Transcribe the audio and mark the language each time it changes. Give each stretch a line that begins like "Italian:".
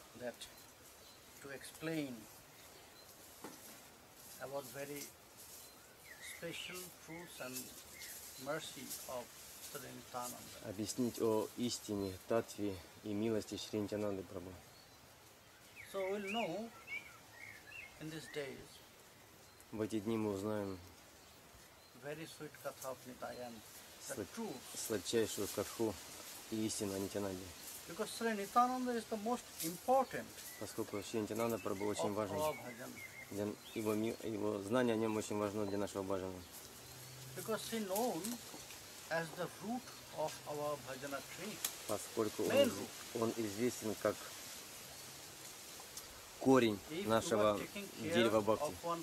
English: that to explain about very special truths and mercy of Sri Nityānanda.
Russian: Объяснить о истине, таттве и милости Шри Нитянанды Прабху.
English: So we'll know in these days.
Russian: В эти дни мы узнаем
English: very sweet katha of Nitai and the truth.
Russian: Сладчайшую катху и истину о Нитянанде.
English: Because Sri Nityānanda is the most important.
Russian: Поскольку Шри Нитянанда Прабху очень важен. Его знание о нем очень важно для нашего бхаджана.
English: Because he known as the root of our bhajana tree.
Russian: Поскольку он известен как корень нашего дерева бхакти.